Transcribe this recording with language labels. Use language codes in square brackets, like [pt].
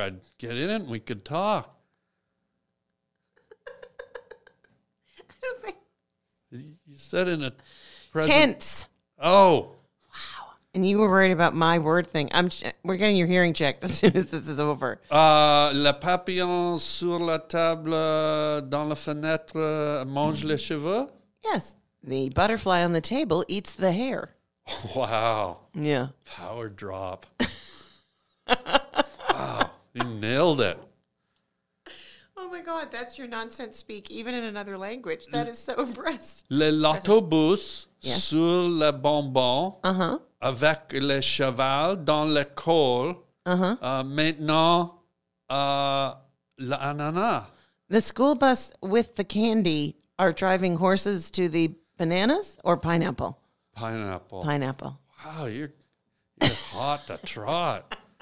[en] I'd get in it, and we could talk. You said in a tense. Oh. Wow. And you were worried about my word thing. We're getting your hearing checked as soon as this is over. [fr] Le papillon sur la table dans la fenêtre mange les cheveux? [en] Yes. The butterfly on the table eats the hair. Wow. Yeah. Power drop. Wow. You nailed it. Oh my God, that's your nonsense speak, even in another language. That is so impressed. [fr] Le l'autobus sur le bonbon avec le cheval dans le col. Maintenant, l'ananas. [en] The school bus with the candy are driving horses to the bananas or pineapple? Pineapple. Pineapple. Wow, you're hot to trot.